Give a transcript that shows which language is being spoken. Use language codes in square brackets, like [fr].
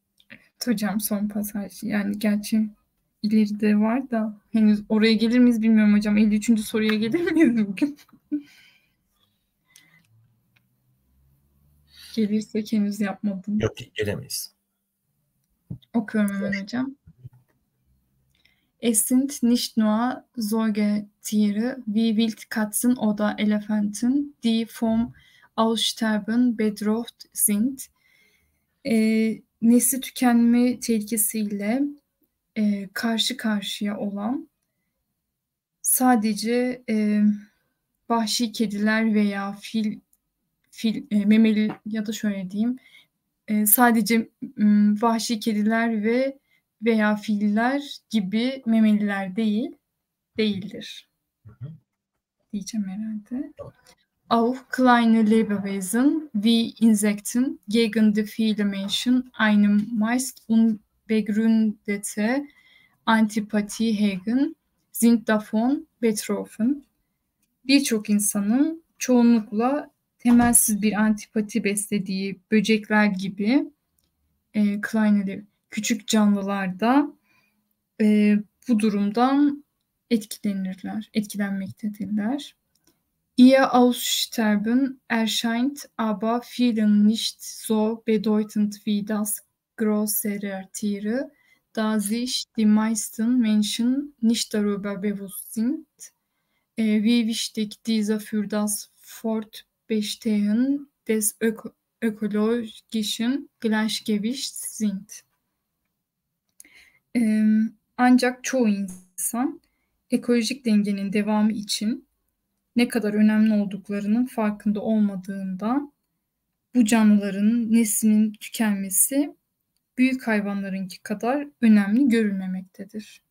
[tr] Evet hocam son pasaj. Yani gerçi ileride var da henüz oraya gelir miyiz bilmiyorum hocam. 53. soruya gelir miyiz bugün? Gelirse henüz yapmadım. Yok ki gelemeyiz. Okuyorum hemen hocam. [de] Es sind nicht nur Säugetiere wie Wildkatzen oder Elefanten, die vom Aussterben bedroht sind. [tr] Nesli tükenme tehlikesiyle karşı karşıya olan sadece vahşi kediler veya memeli ya da şöyle diyeyim sadece vahşi kediler ve veya filler gibi memeliler değildir diyeceğim herhalde. [de] Auch kleine Lebewesen wie Insekten gegen die viele Menschen eine meist unbegründete Antipathie hegen sind davon betroffen. [tr] Birçok insanın çoğunlukla temelsiz bir antipati beslediği böcekler gibi küçük canlılar da bu durumdan etkilenmektedirler. [de] Ihr Aussterben erscheint aber vielen nicht so bedeutend wie das größere Tiere, da sich die meisten Menschen nicht darüber bewusst sind, wie wichtig dieser für das Fortbestehen des ökologischen Gleichgewichts sind. [tr] Ancak çoğu insan ekolojik dengenin devamı için ne kadar önemli olduklarının farkında olmadığından bu canlıların neslinin tükenmesi büyük hayvanlarınki kadar önemli görülmemektedir.